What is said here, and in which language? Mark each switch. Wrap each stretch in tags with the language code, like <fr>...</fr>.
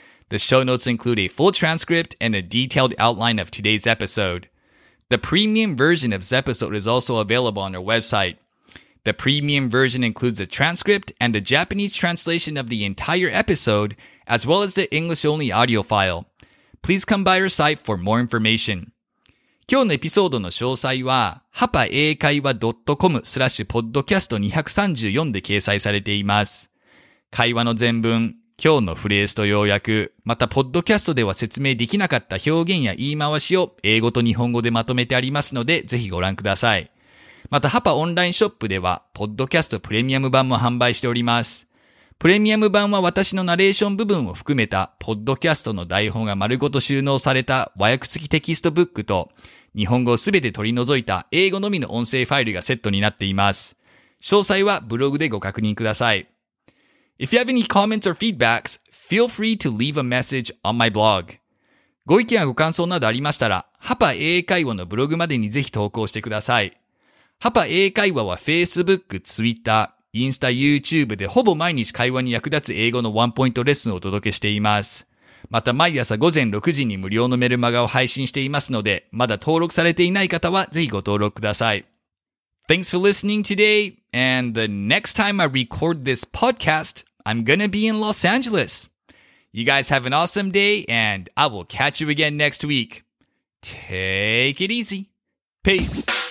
<en>The show notes include a full transcript and a detailed outline of today's episode. The premium version of this episode is also available on our website. The premium version includes a transcript and a Japanese translation of the entire episode, as well as the English-only audio file. Please come by our site for more information.</en> <ja>今日のエピソードの詳細は hapaeikaiwa.com/podcast234 で掲載されています。会話の全文、今日のフレーズと要約、またポッドキャストでは説明できなかった表現や言い回しを英語と日本語でまとめてありますので、ぜひご覧ください。またハパオンラインショップでは、ポッドキャストプレミアム版も販売しております。プレミアム版は私のナレーション部分を含めたポッドキャストの台本が丸ごと収納された和訳付きテキストブックと日本語をすべて取り除いた英語のみの音声ファイルがセットになっています。詳細はブログでご確認ください。</ja> <en>If you have any comments or feedbacks, feel free to leave a message on my blog.</en> <ja>ご意見やご感想などありましたら、ハパ英会話のブログまでにぜひ投稿してください。ハパ英会話は Facebook、Twitter、インスタ、YouTube でほぼ毎日会話に役立つ英語のワンポイントレッスンをお届けしています。また毎朝午前6時に無料のメルマガを配信していますので、まだ登録されていない方はぜひご登録ください。</ja> <en>Thanks for listening today, and the next time I record this podcast, I'm gonna be in Los Angeles. You guys have an awesome day, and I will catch you again next week. Take it easy. Peace!</en>